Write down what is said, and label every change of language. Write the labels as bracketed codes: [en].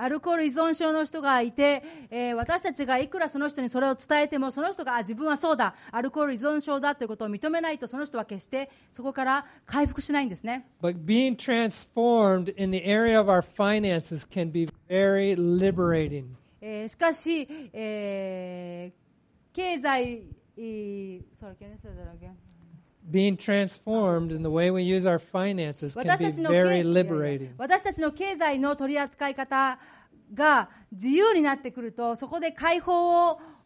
[ja] アルコール依存症の人がいて、私たちがいくらその人にそれを伝えても、その人が自分はそうだ、アルコール依存症だということを認めないと、その人は決してそこから回復しないんですね。 [en] But being transformed in the area of our finances can be very liberating. [ja] しかし、経済、 [en] Sorry, can you say that again? Being transformed in the way we use our finances can be very liberating. [ja] 私たちの経済の取り扱い方が自由になってくると、そこで解放を。